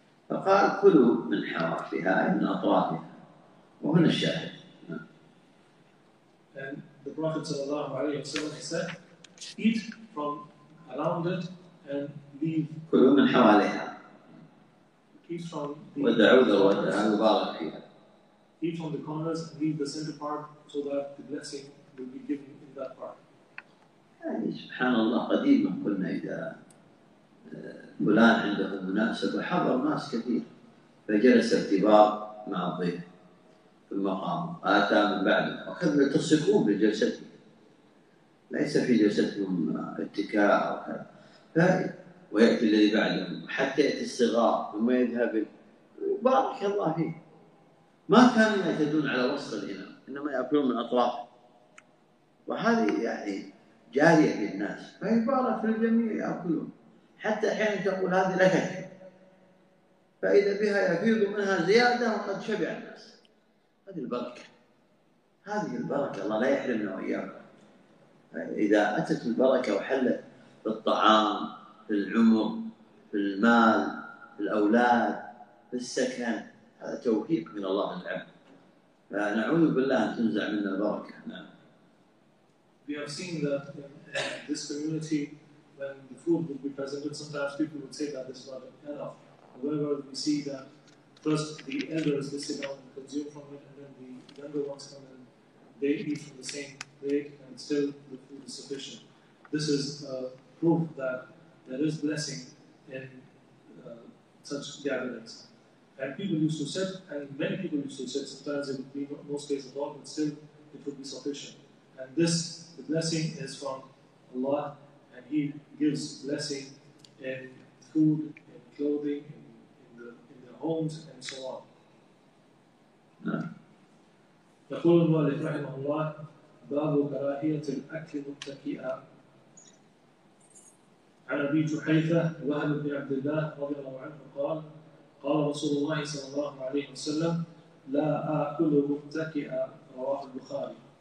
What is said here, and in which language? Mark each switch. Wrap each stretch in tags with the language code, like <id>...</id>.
<ar>فقال كلوا من حرافها من أطرافها وهنا الشاهد.</ar> <en>And the Prophet</en> <ar>صلى الله عليه وسلم</ar> <en>he said, eat from around it and leave.</en> <ar>كلوا من حواليها.</ar> <en>Eat from the.</en> <ar>ودعوا</ar> <en>eat from the corners and leave the center part so that the blessing will be given in that part.</en> <ar>يعني سبحان الله قديما قلنا إذا فلان عنده مناسبة حضر ناس كثير فجلس الكبار مع الضيف في المقام آتى من بعده وكذا يتصفون بجلستهم ليس في جلستهم اتكاء أو كذا ويأتي الذي بعدهم حتى يأتي الصغار ثم يذهب بارك الله فيه ما كانوا يعتدون على وسط الإناء إنما يأكلون من أطرافه وهذه يعني جارية للناس فهي بارك للجميع يأكلون حتى أحيانا تقول هذه لك فإذا بها يفيض منها زيادة وقد شبع الناس هذه البركة الله لا يحرمنا وإياها إذا أتت البركة وحلت في الطعام في العمر في المال في الأولاد في السكن هذا توفيق من الله العبد فنعوذ بالله أن تنزع منا البركة</ar> <en>We have seen that in this community when the food would be presented, sometimes people would say that this is not enough. However, we see that first the elders, they sit down and consume from it, and then the younger ones come and they eat from the same plate, and still the food is sufficient. This is proof that there is blessing in such gatherings. And people used to sit, and many people used to sit, sometimes it would be most days at all, but still it would be sufficient. And this, the blessing is from Allah, and He gives blessing in food, in clothing, in the homes, and so on.</en> <ar>يقول المؤلف رحمه الله باب كراهية الأكل متكئا عن أبي جحيفة وهب بن عبد الله رضي الله عنه قال قال رسول الله صلى الله عليه وسلم لا أكل متكئا رواه البخاري</ar>